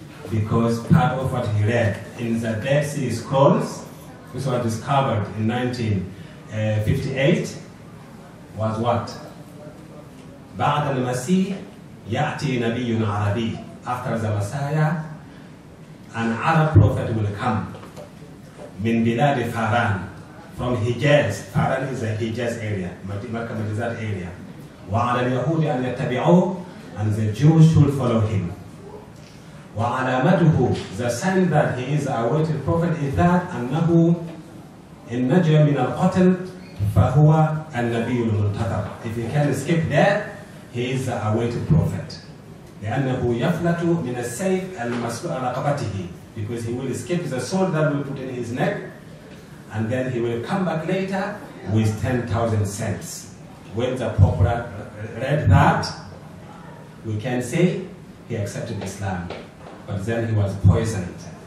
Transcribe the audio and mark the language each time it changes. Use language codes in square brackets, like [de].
[en] because part of what he read in the Dead Sea Scrolls, which was discovered in 1958, was what? [ar] بعد المسيح يأتي نبي عربي. [en] After the Messiah, an Arab prophet will come. [ar] من بلاد فاران. [en] From Hijaz. Faran is a Hijaz area. Makkah, Madinah area. [ar] وعلى اليهود أن يتبعوه. [en] And the Jews should follow him. [ar] وعلامته, [en] the sign that he is a awaited prophet is that [ar] أنه إن نجا من القتل فهو النبي المنتظر. [en] If he can escape that, he is the awaited prophet. [ar] لأنه يفلت من السيف المسلول على رقبته. [en] Because he will escape the sword that will put in his neck, and then he will come back later with 10,000 saints. When the Pope read that, we can say he accepted Islam, but then he was poisoned.